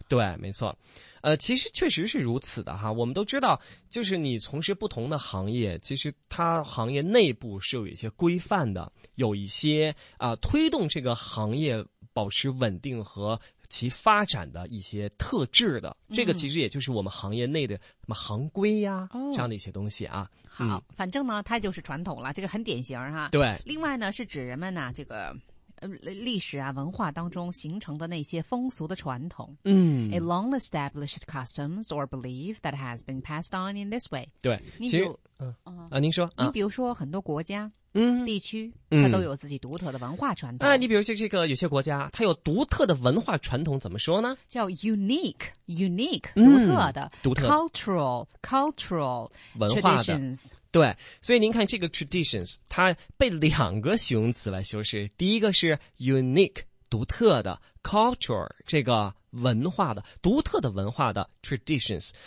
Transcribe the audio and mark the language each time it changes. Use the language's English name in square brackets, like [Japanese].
[Chinese] 对没错其实确实是如此的哈我们都知道就是你从事不同的行业其实它行业内部是有一些规范的有一些推动这个行业保持稳定和其发展的一些特质的这个其实也就是我们行业内的什么行规呀、啊嗯、这样的一些东西啊、哦、好、嗯、反正呢它就是传统了这个很典型哈对另外呢是指人们呢这个历史啊文化当中形成的那些风俗的传统嗯 [English] A long established customs or belief that has been passed on in this way [Chinese] 对你其实、您说、啊、你比如说很多国家嗯，地区嗯，它都有自己独特的文化传统。啊，你比如说这个有些国家，它有独特的文化传统，怎么说呢？ [English] 叫 unique， [Chinese] 独特的，独特 [English] cultural [Chinese] 文化的 [English] traditions。 [Chinese] 对，所以您看这个 traditions， 它被两个形容词来修饰，第一个是 unique， 独特的 cultural 这个文化的独特的文化的 traditions。